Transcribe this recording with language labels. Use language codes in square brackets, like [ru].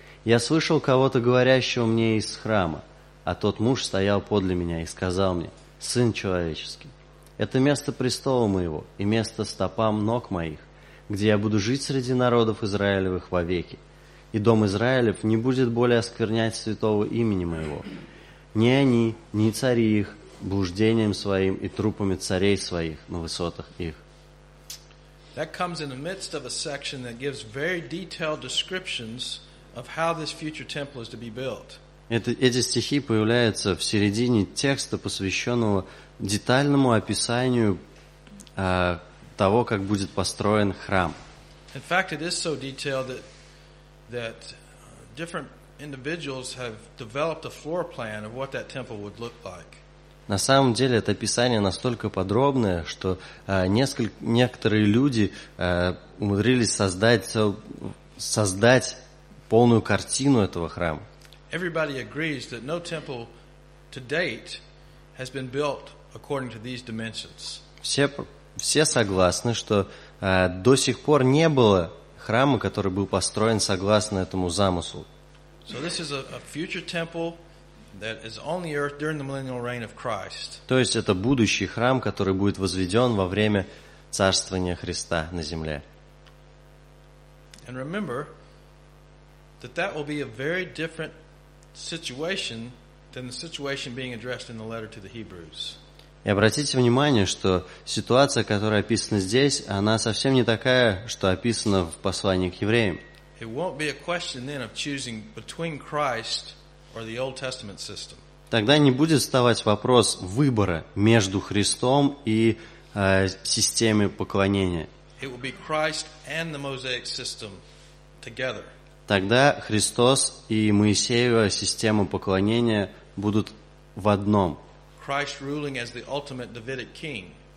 [ru] Я слышал кого-то, говорящего мне из храма, а тот муж стоял подле меня и сказал мне: Сын человеческий, это место престола моего и место стопам ног моих, где я буду жить среди народов Израилевых вовеки. И дом Израилев не будет более осквернять святого имени моего. Ни они, ни цари их, блуждением своим и трупами царей своих на высотах их». [en] That comes in the midst of a section that gives very detailed descriptions of how this future temple is to be built. [ru] Эти стихи появляются в середине текста, посвященного детальному описанию того, как будет построен храм. [en] In fact, it is so detailed that different individuals have developed a floor plan of what that temple would look like. [ru] На самом деле, это описание настолько подробное, что некоторые люди умудрились создать полную картину этого храма. [en] Everybody agrees that no temple to date has been built according to these dimensions. [ru] Все согласны, что до сих пор не было храма, который был построен согласно этому замыслу. [en] So this is a future temple that is on the earth during the millennial reign of Christ. [ru] То есть это будущий храм, который будет возведен во время царствования Христа на земле. [en] And remember that that will be a very different situation than the situation being addressed in the letter to the Hebrews. [ru] И обратите внимание, что ситуация, которая описана здесь, она совсем не такая, что описана в послании к евреям. [en] It won't be a question then of choosing between Christ or the Old Testament system. [ru] Тогда не будет вставать вопрос выбора между Христом и системой поклонения. [en] It will be Christ and the Mosaic system together. [ru] Тогда Христос и Моисеева система поклонения будут в одном. [en] Christ ruling as the ultimate Davidic king.